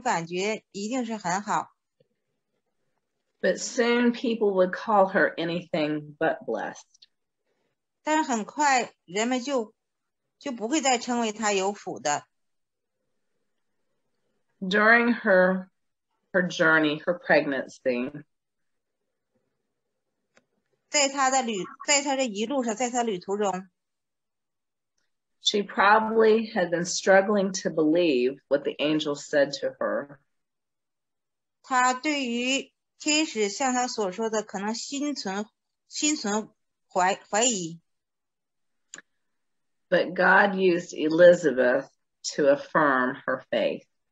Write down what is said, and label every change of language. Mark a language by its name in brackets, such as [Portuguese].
[Chinese] 像伊丽莎白这样称她为是有福的，这种感觉一定是很好。 [English] But soon people would call her anything but blessed. [Chinese] 但是很快人们就不会再称为她有福的。 [English] During her journey, her pregnancy. [Chinese] 在她的旅途中。 [English] She probably had been struggling to believe what the angel said to her. [Chinese] 她对于天使向她所说的可能心存怀疑。 [English] But God used Elizabeth to affirm her faith.